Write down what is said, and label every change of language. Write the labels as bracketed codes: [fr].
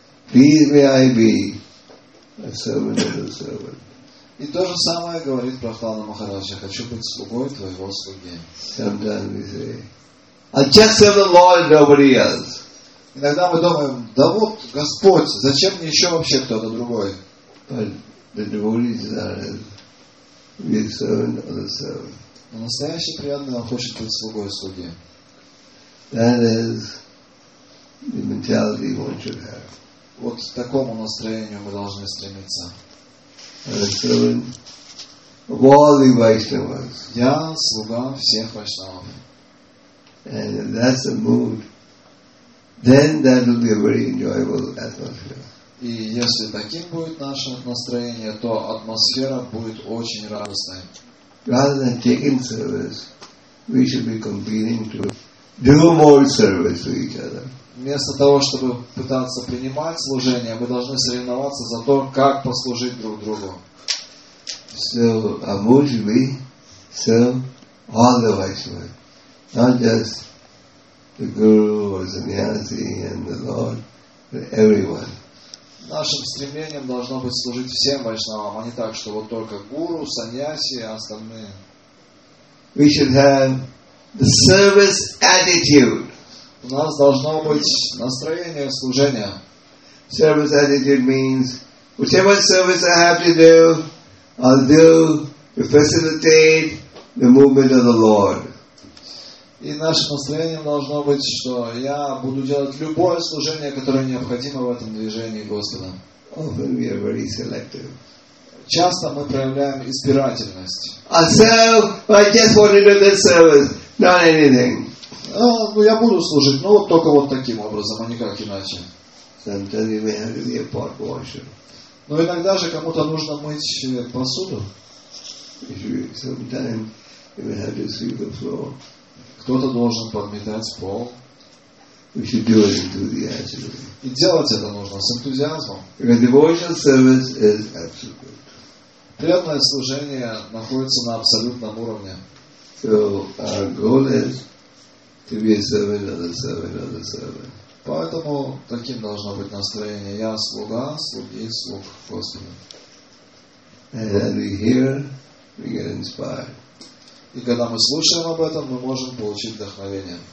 [en] Please may I be a servant of the servant. [ru] И то же самое говорит Прахлада Махарадж. Я хочу быть слугой твоего слуги. [en] Sometimes we say, I just serve the Lord, nobody else. [ru] Иногда мы думаем, да вот Господь, зачем мне еще вообще кто-то другой? [en] But the devotee desires to be a servant of the servant. [ru] Но настоящий преданный, он хочет быть слугой слуги. [en] That is the mentality one should have. [ru] Вот к такому настроению мы должны стремиться. [en] Of all the Vaishnavas. [ru] Я слуга всех Вайшнавов. [en] And if that's the mood, then that will be a very enjoyable atmosphere. [ru] И если таким будет наше настроение, то атмосфера будет очень радостной. [en] Rather than taking service, we should be competing to do more service to each other. [ru] Вместо того, чтобы пытаться принимать служение, мы должны соревноваться за то, как послужить друг другу. [en] So, a mood should be serve all the Vaishnavas. Not just the Guru or Sannyasi and the Lord, but everyone. [ru] Нашим стремлением должно быть служить всем Вайшнавам, а не так, что вот только Гуру, Саньяси и остальные. [en] We should have the service attitude. [ru] У нас должно быть настроение служения. [en] Service attitude means whichever service I have to do, I'll do to facilitate the movement of the Lord. [ru] И наше настроение должно быть, что я буду делать любое служение, которое необходимо в этом движении Господа. [en] Often we are very selective. [ru] Часто мы проявляем избирательность. [en] I serve, I just want to do that service, not anything. [ru] Ну, я буду служить, но вот только вот таким образом, а никак иначе. [en] Sometimes we have to be a pot washer. [ru] Но иногда же кому-то нужно мыть посуду. [en] Sometimes we have to sweep the floor. [ru] Кто-то должен подметать пол. [en] We should do it enthusiastically. [ru] И делать это нужно с энтузиазмом. [en] The devotional service is absolute. [ru] Преданное служение находится на абсолютном уровне. [en] So our goal is to be a servant of the servant of the servant. [ru] Поэтому таким должно быть настроение. Я слуга, слуги, слуг Господа. [en] And as we hear, we get inspired. [ru] И когда мы слушаем об этом, мы можем получить вдохновение.